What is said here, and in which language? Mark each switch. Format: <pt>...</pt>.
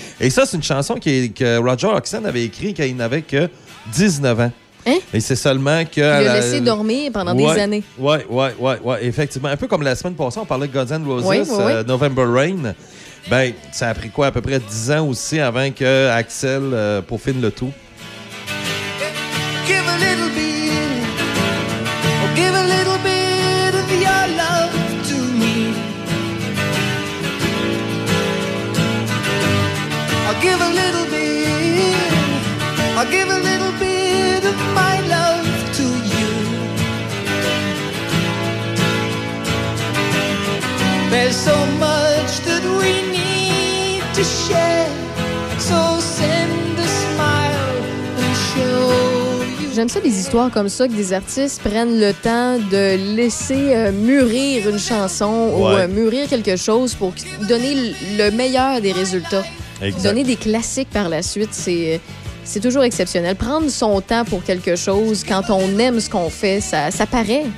<fr>Et ça, c'est une chanson que Roger Hodgson avait écrite quand il n'avait que 19 ans. Hein? Et c'est seulement que... Il a laissé dormir pendant des années. Ouais. Effectivement. Un peu comme la semaine passée, on parlait de Guns N' Roses, November Rain. Ben, ça a pris quoi? À peu près 10 ans aussi avant que Axel peaufine le tout.</fr> <en>Give a little bit, oh, give a little bit of your love to me. I'll give a little bit, I'll give a little bit of my love to you. There's so much that we need to share, so send a smile and show.</en> <fr>J'aime ça des histoires comme ça, que des artistes prennent le temps de laisser mûrir une chanson ou mûrir quelque chose pour donner le meilleur des résultats. Exact. Donner des classiques par la suite, c'est toujours exceptionnel. Prendre son temps pour quelque chose, quand on aime ce qu'on fait, ça paraît.</fr>